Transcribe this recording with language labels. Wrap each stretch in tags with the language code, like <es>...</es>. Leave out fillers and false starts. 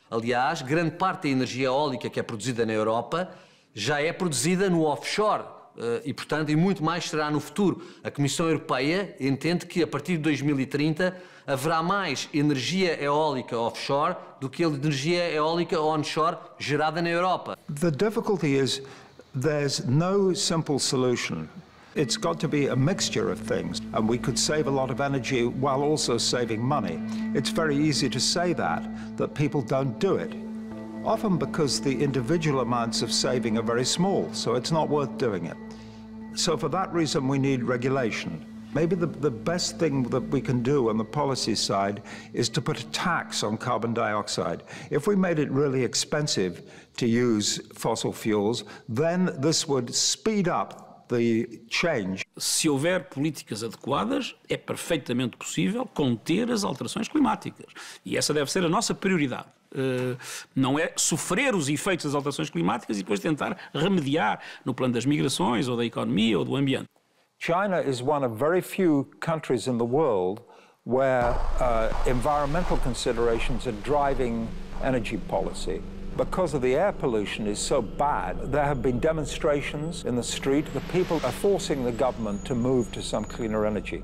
<pt>Aliás, grande parte da energia eólica que é produzida na Europa já é produzida no offshore. E, portanto, e muito mais será no futuro. A Comissão Europeia entende que, a partir de 2030, haverá mais energia eólica offshore do que energia eólica onshore gerada na Europa.</pt> <en>The difficulty is there's no simple solution. It's got to be a mixture of things, and we could save a lot of energy while also saving money. It's very easy to say that, that people don't do it. Often because the individual amounts of saving are very small, so it's not worth doing it. So for that reason, we need regulation. Maybe the best thing that we can do on the policy side is to put a tax on carbon dioxide. If we made it really expensive to use fossil fuels, then this would speed up the change.</en> <pt>Se houver políticas adequadas, é perfeitamente possível conter as alterações climáticas. E essa deve ser a nossa prioridade. Não é sofrer os efeitos das alterações climáticas e depois tentar remediar no plano das migrações ou da economia ou do ambiente.</pt> <en>China is one of very few countries in the world where environmental considerations are driving energy policy. Because of the air pollution is so bad, there have been demonstrations in the street. The people are forcing the government to move to some cleaner energy.</en>